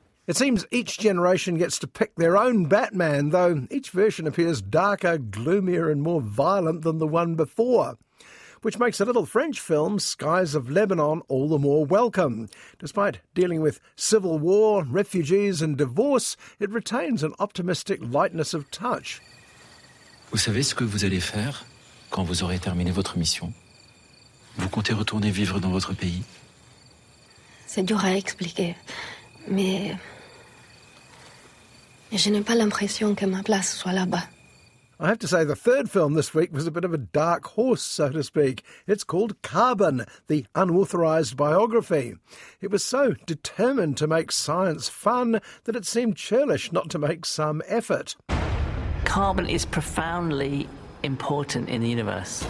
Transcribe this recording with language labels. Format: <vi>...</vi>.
<en>It seems each generation gets to pick their own Batman, though each version appears darker, gloomier, and more violent than the one before. Which makes a little French film, Skies of Lebanon, all the more welcome. Despite dealing with civil war, refugees and divorce, it retains an optimistic lightness of touch.</en> <fr>Vous savez ce que vous allez faire quand vous aurez terminé votre mission? Vous comptez retourner vivre dans votre pays? C'est dur à expliquer, mais je n'ai pas l'impression que ma place soit là-bas.</fr> <en>I have to say the third film this week was a bit of a dark horse, so to speak. It's called Carbon, the unauthorised biography. It was so determined to make science fun that it seemed churlish not to make some effort. Carbon is profoundly important in the universe.</en>